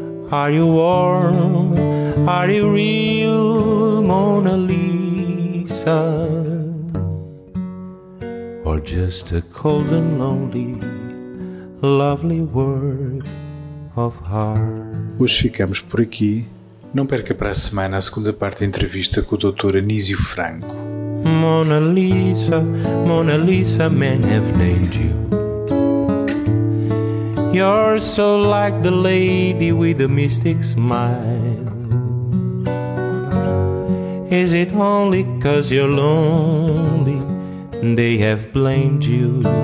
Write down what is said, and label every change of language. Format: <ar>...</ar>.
<en>Are you warm? Are you real, Mona Lisa? Or just a cold and lonely, lovely word of heart?</en> <pt>Hoje ficamos por aqui. Não perca para a semana a segunda parte da entrevista com o Dr. Anísio Franco.</pt> <en>Mona Lisa, Mona Lisa, men have named you. You're so like the lady with the mystic smile. Is it only 'cause you're lonely they have blamed you?</en>